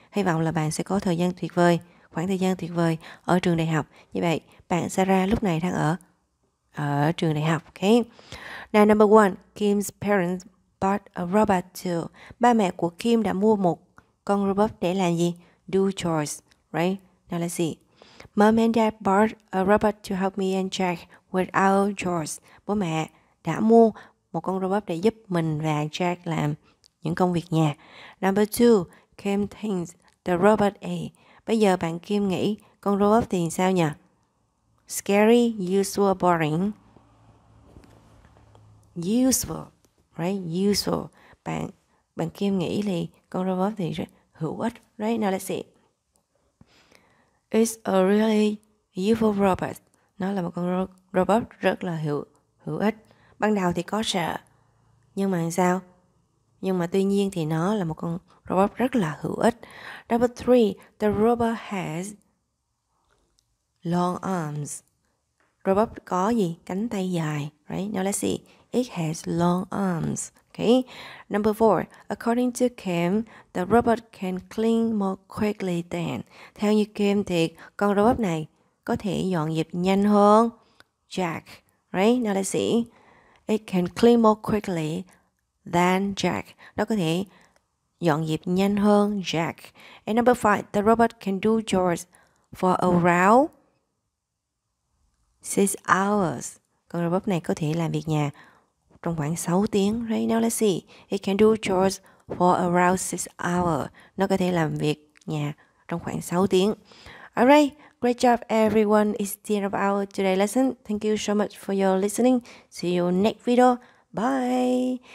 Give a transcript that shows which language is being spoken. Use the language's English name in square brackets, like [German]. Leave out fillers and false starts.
[Vietnamese] Hy vọng là bạn sẽ có thời gian tuyệt vời. Khoảng thời gian tuyệt vời ở trường đại học. Như vậy, bạn Sarah lúc này đang ở trường đại học. Okay. [English] Now, number one, Kim's parents bought a robot too. [Vietnamese] Ba mẹ của Kim đã mua một con robot để làm gì? [English] Do chores, right? Now, let's see. Mom and Dad bought a robot to help me and Jack with our chores. [Vietnamese] Bố mẹ đã mua một con robot để giúp mình và Jack làm những công việc nhà. [English] Number two, Kim thinks the robot A. [Vietnamese] Bây giờ bạn Kim nghĩ con robot thì sao nhỉ? [English] Scary, useful, boring. Useful, right? Useful. [Vietnamese] Bạn Kim nghĩ thì con robot thì hữu ích, [English] right? Now let's see. It's a really useful robot. [Vietnamese] Nó là một con robot rất là hữu ích. Ban đầu thì có sợ. Nhưng mà sao? Nhưng mà tuy nhiên thì nó là một con robot rất là hữu ích. [English] Number three, the robot has long arms. [Vietnamese] Robot có gì? Cánh tay dài. [English] Right? Now let's see. It has long arms. Okay. Number four, according to Kim, the robot can clean more quickly than. [Vietnamese] Theo như Kim thì con robot này có thể dọn dẹp nhanh hơn Jack. [English] Right? Now let's see. It can clean more quickly than Jack. [Vietnamese] Nó có thể dọn dẹp nhanh hơn Jack. [English] And number five, the robot can do chores for around 6 hours. [Vietnamese] Con robot này có thể làm việc nhà trong khoảng 6 tiếng. [English] Right now, let's see. It can do chores for around 6 hours. [Vietnamese] Nó có thể làm việc nhà trong khoảng 6 tiếng. [English] Alright, great job everyone. It's the end of our today lesson. Thank you so much for your listening. See you next video. Bye.